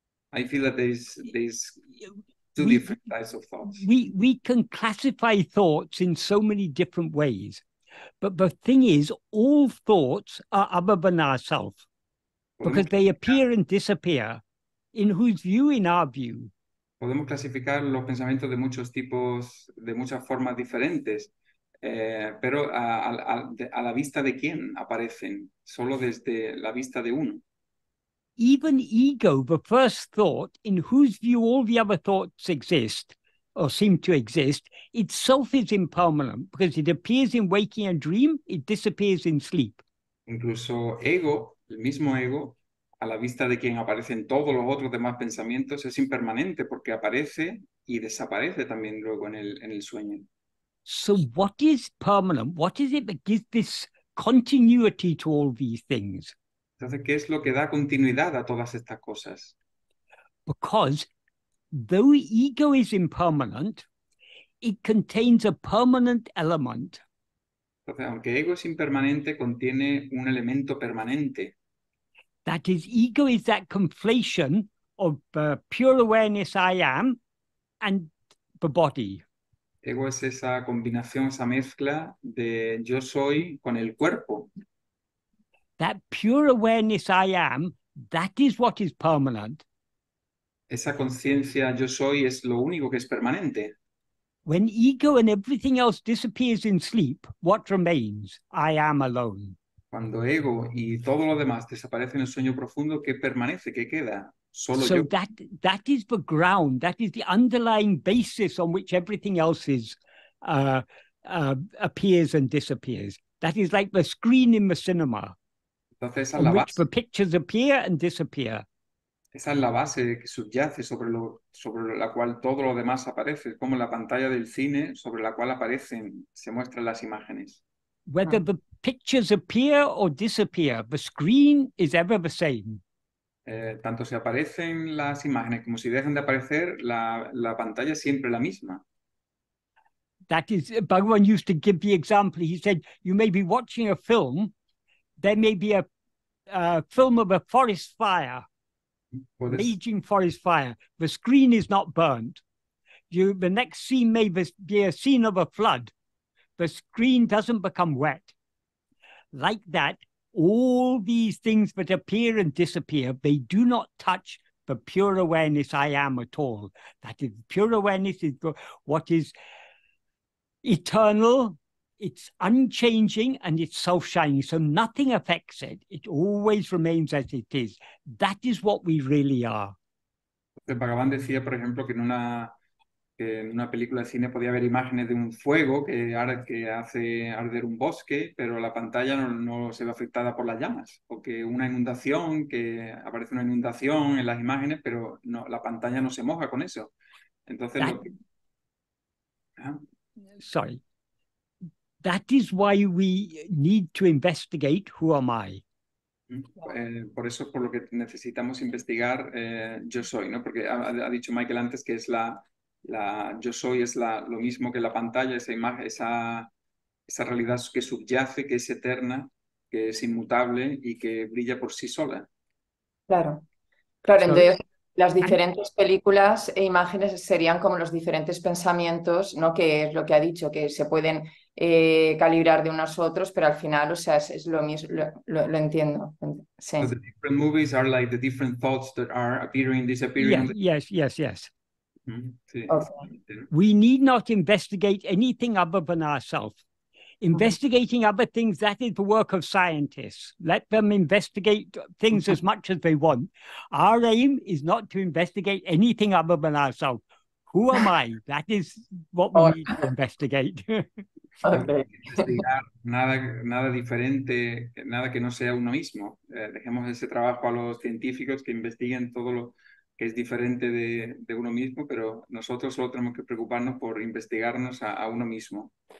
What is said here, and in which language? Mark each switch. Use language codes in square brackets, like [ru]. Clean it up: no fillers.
[en] I feel that there's two different types of thoughts. We can classify thoughts in so many different ways. But the thing is, all thoughts are other than ourselves. Because they appear and disappear. In whose view? In our view. [es] Podemos clasificar los pensamientos de muchos tipos, de muchas formas diferentes. Pero a la vista de quién aparecen? Solo desde la vista de uno. [en] Even ego, the first thought, in whose view all the other thoughts exist, or seem to exist, itself is impermanent, because it appears in waking and dream, it disappears in sleep. [es] Incluso ego, el mismo ego, a la vista de quien aparecen todos los otros demás pensamientos, es impermanente porque aparece y desaparece también luego en el sueño. [en] So what is permanent? What is it that gives this continuity to all these things? [es] Entonces, ¿qué es lo que da continuidad a todas estas cosas? [en] Because though ego is impermanent, it contains a permanent element. [es] Entonces, aunque ego es impermanente, contiene un elemento permanente. [en] That is, ego is that conflation of the pure awareness I am and the body. [es] Ego es esa combinación, esa mezcla de yo soy con el cuerpo. [en] That pure awareness I am, that is what is permanent. [es] Esa conciencia yo soy es lo único que es permanente. [en] When ego and everything else disappears in sleep, what remains? I am alone. [es] Cuando ego y todo lo demás desaparece en el sueño profundo, ¿qué permanece? ¿Qué queda? Solo [en] so [es] yo. [en] That is the ground, that is the underlying basis on which everything else is appears and disappears. That is like the screen in the cinema. [es] Entonces, esa [en] on [es] la [en] which [es] base. [en] The pictures appear and disappear. [es] Esa es la base que subyace sobre la cual todo lo demás aparece, como la pantalla del cine sobre la cual aparecen, se muestran las imágenes. [en] Whether the pictures appear or disappear, the screen is ever the same. [es] Tanto si aparecen las imágenes como si dejan de aparecer, la pantalla es siempre la misma. [en] That is, Bhagavan used to give the example. He said, you may be watching a film, there may be a film of a forest fire, raging forest fire. The screen is not burnt. The next scene may be a scene of a flood, the screen doesn't become wet. Like that, all these things that appear and disappear, they do not touch the pure awareness I am at all. That is, pure awareness is what is eternal, it's unchanging, and it's self-shining. So nothing affects it. It always remains as it is. That is what we really are. [es] Bhagavan decía, por ejemplo, que en una película de cine podía haber imágenes de un fuego que hace arder un bosque, pero la pantalla no se ve afectada por las llamas. O que una inundación, que aparece una inundación en las imágenes, pero no, la pantalla no se moja con eso. Entonces, [en] That is why we need to investigate who am I. [es] Por eso es por lo que necesitamos investigar yo soy, ¿no? Porque ha dicho Michael antes que es la yo soy es lo mismo que la pantalla, esa imagen, esa realidad que subyace, que es eterna, que es inmutable y que brilla por sí sola. Claro, entonces las diferentes películas e imágenes serían como los diferentes pensamientos, ¿no? Que es lo que ha dicho, que se pueden calibrar de unos a otros, pero al final, o sea, es lo mismo, lo entiendo. Sí. [en] So the different movies are like the different thoughts that are appearing, disappearing. Yes. Mm-hmm. Sí. Okay. We need not investigate anything other than ourselves. Investigating other things, that is the work of scientists. Let them investigate things as much as they want. Our aim is not to investigate anything other than ourselves. Who am I? That is what we need to investigate. [es] Investigar nada diferente, nada que no sea uno mismo. Dejemos ese trabajo a los científicos que investiguen todo lo que es diferente de uno mismo, pero nosotros solo tenemos que preocuparnos por investigarnos a uno mismo.